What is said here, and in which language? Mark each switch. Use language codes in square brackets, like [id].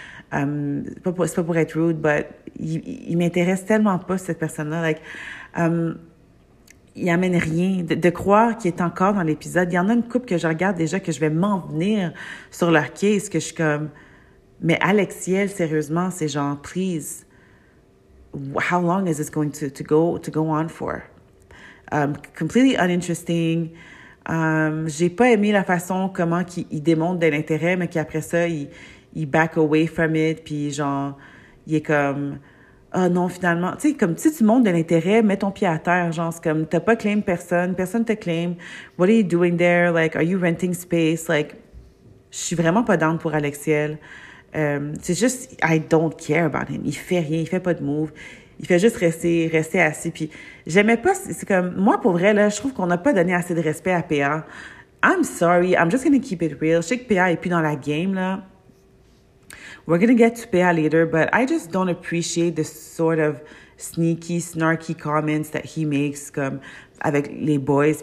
[fr] C'est pas pour être rude, but il m'intéresse tellement pas, cette personne-là. Like, il amène rien. De croire qu'il est encore dans l'épisode, il y en a une couple que je regarde déjà, que je vais m'en venir sur leur case, que je suis comme... Mais Alexiel, sérieusement, c'est genre, please... [en] How long is this going to go on for? Completely uninteresting. [fr] J'ai pas aimé la façon comment il démontre de l'intérêt, mais qu'après ça, il [en] back away from it, [fr] puis genre, il est comme, ah oh non, finalement, tu sais, comme, si tu montres de l'intérêt, mets ton pied à terre, genre, c'est comme, t'as pas claim personne te claim. [en] What are you doing there? Like, are you renting space? [fr] Like, je suis vraiment pas down pour Alexiel. C'est juste, [en] I don't care about him. [fr] Il fait rien, il fait pas de move. Il fait juste rester assis. Puis, j'aimais pas, c'est comme, moi, pour vrai, là, je trouve qu'on n'a pas donné assez de respect à PA. [en] I'm sorry, I'm just gonna keep it real. [fr] Je sais que PA est plus dans la game, là. [en] We're gonna get to PA later, but I just don't appreciate the sort of sneaky, snarky comments that he makes, [fr] comme, avec les boys.